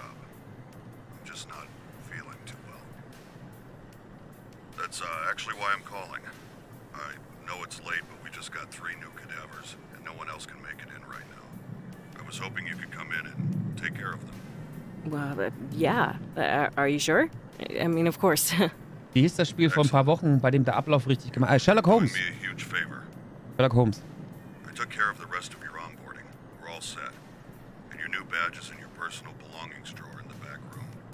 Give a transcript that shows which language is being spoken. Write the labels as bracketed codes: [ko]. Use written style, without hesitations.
[en] I'm just not feeling too well. That's actually why I'm calling. I know it's late, but we just got 3 new cadavers, and no one else can make it in right now. I was hoping you could come in and take care of them. Well, yeah. Are you sure? I mean, of course. [de] Wie hieß das Spiel Excellent. Vor ein paar Wochen, bei dem der Ablauf richtig gemacht wurde? [en] Sherlock Holmes. Sherlock Holmes. I took care of the rest of your onboarding. We're all set. And your new badge is in your personal belongings drawer in the back room.